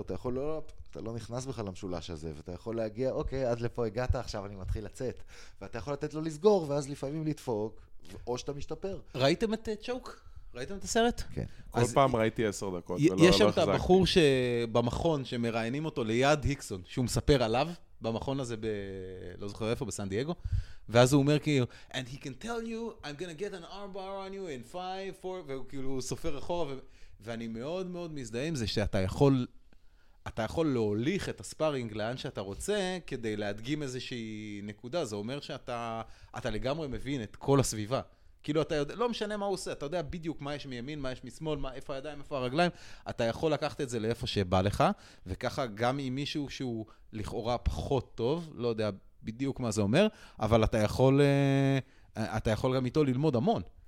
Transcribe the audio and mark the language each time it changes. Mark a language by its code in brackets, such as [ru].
[he] אתה יכול, לא, אתה לא נכנס בכלל למשולש הזה, ואתה יכול להגיע, אוקיי, עד לפה הגעת, עכשיו אני מתחיל לצאת. ואתה יכול לתת לו לסגור, ואז לפעמים לדפוק, או שאתה משתפר. ראיתם את צ'וק? ראיתם את הסרט? כן. כל פעם ראיתי 10 דקות, ולא חזק. יש שם את הבחור שבמכון, שמראיינים אותו ליד היקסון, שהוא מספר עליו, במכון הזה ב... לא זוכר איפה, בסן דיאגו. ואז הוא אומר כאילו, [en] and he can tell you, I'm gonna get an armbar on you in 5, 4, [he] והוא כאילו סופר אחורה, ואני מאוד מאוד מזדהה עם זה שאתה יכול, אתה יכול להוליך את הספארינג לאן שאתה רוצה כדי להדגים איזושהי נקודה. זה אומר שאתה, אתה לגמרי מבין את כל הסביבה. כאילו אתה יודע, לא משנה מה הוא עושה, אתה יודע בדיוק מה יש מימין, מה יש משמאל, מה, איפה הידיים, איפה הרגליים, אתה יכול לקחת את זה לאיפה שבא לך, וככה גם עם מישהו שהוא לכאורה פחות טוב, לא יודע בדיוק מה זה אומר, אבל אתה יכול, אתה יכול גם איתו ללמוד המון.